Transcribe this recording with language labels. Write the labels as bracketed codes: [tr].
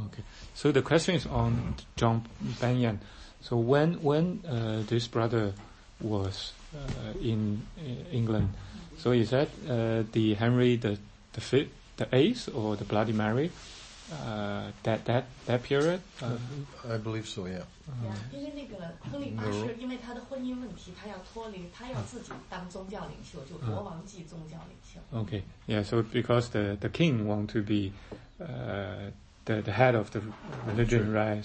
[en] Okay, so the question is on John Bunyan. So when this brother was in England, so is that the Henry the Fifth, the Eighth, or the Bloody Mary? That period? I believe so. Yeah. [zh] 因为那个亨利八世，因为他的婚姻问题，他要脱离，他要自己当宗教领袖，就国王级宗教领袖。 [en] Okay. Yeah. So because the king want to be, the head of the religion, right?